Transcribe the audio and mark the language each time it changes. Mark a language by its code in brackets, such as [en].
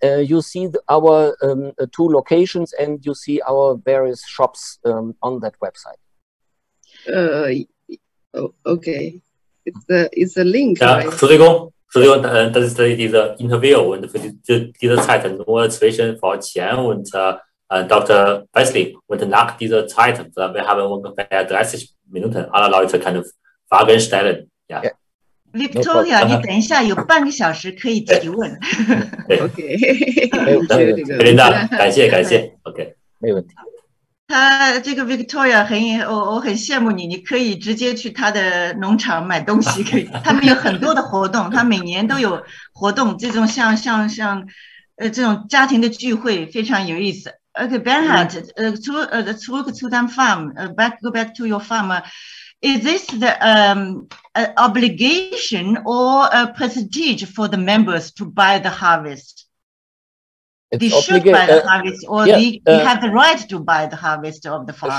[en] You see our two locations and you see our various shops on that website. Okay. It's a link. [de] Ja, Entschuldigung. Entschuldigung, das ist diese Interview und für diese Zeit nur zwischen Frau Qian und Dr. Wesley. Und nach dieser Zeit, wir haben ungefähr 30 Minuten, alle Leute können Fragen stellen. Ja. [zh] Victoria, no, 你等一下有半个小时可以提问。 OK，没问题，感谢感谢 ，OK，没问题。他这个 Victoria 很羡慕你，你可以直接去他的农场买东西，可以。他们有很多的活动，他每年都有活动，这种像这种家庭的聚会，非常有意思。 [en] OK, Bernhard, to the farm, back to your farm. Is this the obligation or a prestige for the members to buy the harvest? They should buy the harvest, or yeah, they have the right to buy the harvest of the farm.